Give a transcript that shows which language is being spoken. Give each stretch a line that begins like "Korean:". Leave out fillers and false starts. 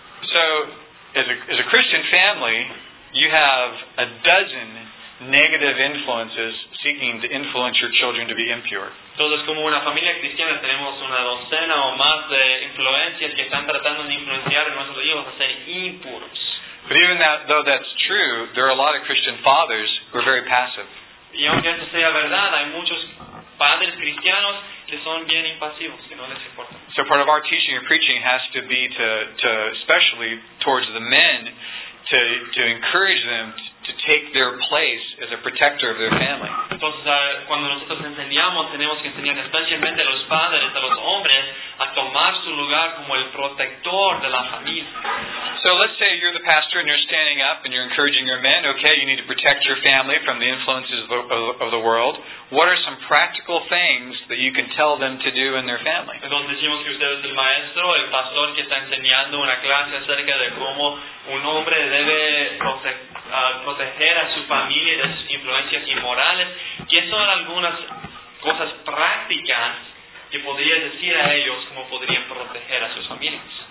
English: So, as a Christian family, you have a dozen negative influences seeking to influence your children to be impure.
Spanish: Entonces, como una familia cristiana, tenemos una docena o más de influencias que están tratando de influenciar a nuestros hijos a ser impuros.
English: But even that, though that's true, there are a lot of Christian fathers who are very passive.
Spanish: Y aunque eso sea verdad, hay muchos padres cristianos que son bien impasivos, que no les importa.
English: So part of our teaching and preaching has to be to especially towards the men, to encourage them to take their place as a protector of their family.
Spanish: Entonces, cuando nosotros enseñamos, tenemos que enseñar especialmente a los padres, a los hombres, a tomar su lugar como el protector de la familia.
English: So let's say you're the pastor and you're standing up and you're encouraging your men, okay, you need to protect your family from the influences of the world. What are some practical things that you can tell them to do in their family?
Spanish: Entonces decimos que usted es el maestro, el pastor que está enseñando una clase acerca de cómo un hombre debe proteger a su familia de sus influencias inmorales. ¿Qué son algunas cosas prácticas que podría decir a ellos cómo podrían proteger a sus familias?